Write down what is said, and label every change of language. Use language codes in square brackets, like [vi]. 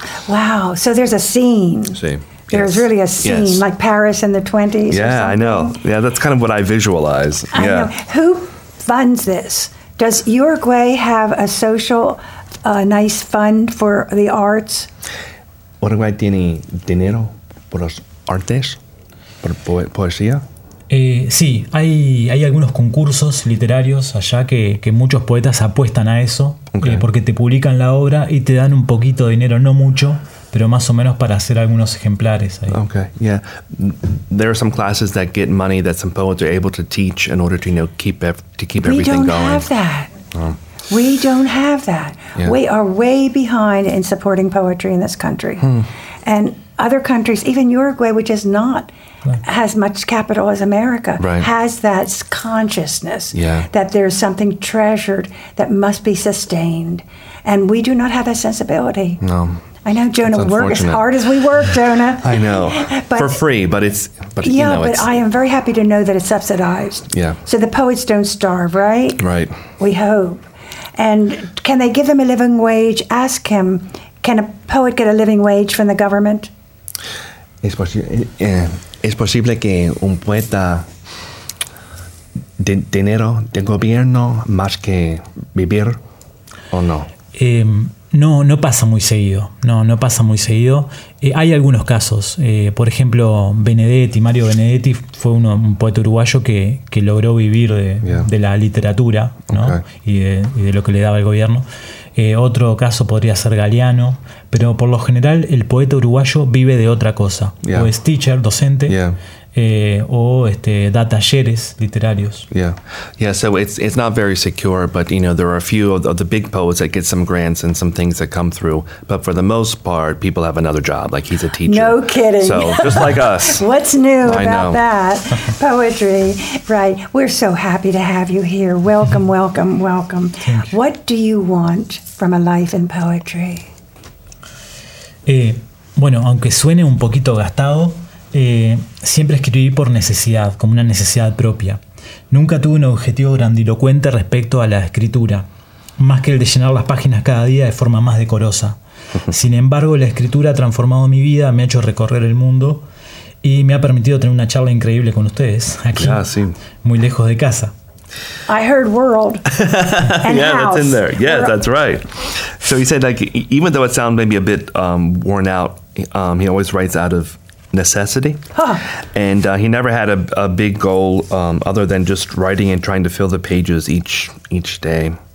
[en] Wow. So there's a scene. See. There's really a scene, like Paris in the 20s. Yeah, I know. Yeah, that's kind of what I visualize. I know. Who funds this? Does Uruguay have a social, nice fund for the arts? [es] Uruguay tiene dinero por los artes, por poesía. Sí, hay algunos concursos literarios allá que muchos poetas apuestan a eso, okay. Porque te publican la obra y te dan un poquito de dinero, no mucho, pero más o menos para hacer algunos ejemplares ahí. [en] Okay, yeah. There are some classes that get money that some poets are able to teach in order to, you know, keep everything going. We don't have that. Oh. We don't have that. Yeah. We are way behind in supporting poetry in this country. Hmm. And other countries, even Uruguay, which is not as much capital as America, has that consciousness that there's something treasured that must be sustained. And we do not have that sensibility. No. I know, Jonah, work as hard as we work, Jonah. I know. But, for free, but it's... But, yeah, you know, but it's, I am very happy to know that it's subsidized. Yeah. So the poets don't starve, right? Right. We hope. And can they give them a living wage? Ask him, can a poet get a living wage from the government? [es] Es posible que un poeta dinero del gobierno más que vivir o no? No pasa muy seguido. No pasa muy seguido. Hay algunos casos. Por ejemplo, Benedetti, Mario Benedetti fue un poeta uruguayo que logró vivir de la literatura, ¿no? Okay. y de lo que le daba el gobierno. Otro caso podría ser Galeano, pero por lo general el poeta uruguayo vive de otra cosa. [en] Yeah. [es] O es teacher, docente, o da talleres literarios. [en] Yeah, yeah. So it's not very secure, but you know there are a few of the big poets that get some grants and some things that come through. But for the most part, people have another job. Like he's a teacher. No kidding. So just like us. What's new about that poetry? Right. We're so happy to have you here. Welcome, welcome, welcome. What do you want from a life in poetry? [es] Bueno, aunque suene un poquito gastado. Siempre escribí por necesidad, como una necesidad propia. Nunca tuve un objetivo grandilocuente respecto a la escritura, más que el de llenar las páginas cada día de forma más decorosa. Sin embargo, la escritura ha transformado mi vida, me ha hecho recorrer el mundo y me ha permitido tener una charla increíble con ustedes aquí, muy lejos de casa. [en] I heard world and yeah, house. That's in there. Yeah, world. That's right. So he said, like, even though it sounds maybe a bit worn out, he always writes out of necessity. Huh. And he never had a big goal other than just writing and trying to fill the pages each day.